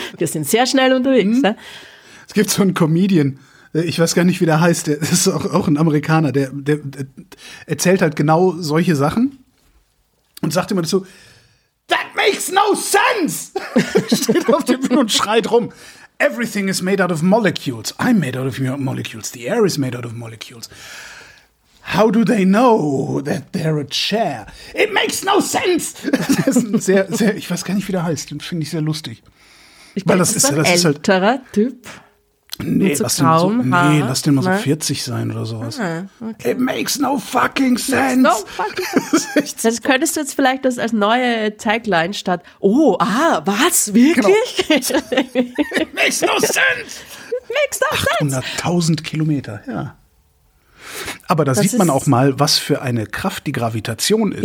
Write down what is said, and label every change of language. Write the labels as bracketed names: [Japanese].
[German] Wir sind sehr schnell unterwegs. Mhm. Ja? Es gibt so einen Comedian, ich weiß gar nicht, wie der heißt, der ist auch ein Amerikaner, der erzählt halt genau solche Sachen und sagt immer dazu, [English] that makes no sense! [German] Steht auf der Bühne und schreit rum. [English] Everything is made out of molecules. I'm made out of molecules. The air is made out of molecules. How do they know that they're a chair? It makes no sense! [German] Das ist ein sehr, sehr, ich weiß gar nicht, wie der heißt. Den finde ich sehr lustig. Ich glaube, das ist ein älterer halt, Typ. Nee, lass den mal so 40 sein oder sowas. Ah, okay. [English] It makes no fucking sense! [German] Das könntest du jetzt vielleicht als neue Tagline statt. Oh, was? Wirklich? [English] Genau. It makes no sense! Makes no [German] 800.000 Kilometer, ja. Aber da sieht man auch mal, was für eine Kraft die Gravitation ist.